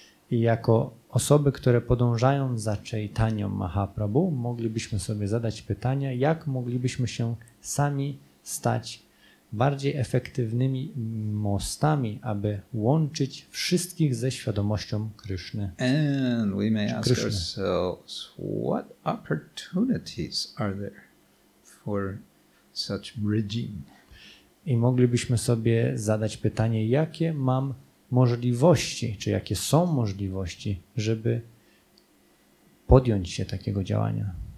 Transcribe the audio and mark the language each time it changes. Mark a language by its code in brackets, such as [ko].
[pl] I jako osoby, które podążają za Chaitanią Mahaprabhu, moglibyśmy sobie zadać pytania, jak moglibyśmy się sami stać bardziej efektywnymi mostami, aby łączyć wszystkich ze świadomością Kryszny. [en] And we may ask ourselves, what opportunities are there for such bridging? [pl] I moglibyśmy sobie zadać pytanie, jakie mam możliwości, czy jakie są możliwości, żeby podjąć się takiego działania.